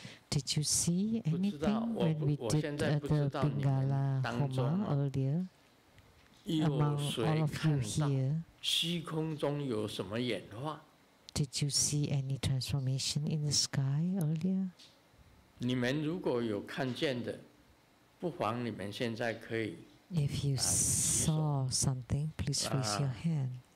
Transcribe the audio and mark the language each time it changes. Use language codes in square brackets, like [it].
[en] Did you see anything when we did the Bengala Homa earlier? Among all of you here, did you see any transformation in the sky earlier? [zh] 你们如果有看见的, 不妨你们现在可以, [en] if you saw something, please raise your hand.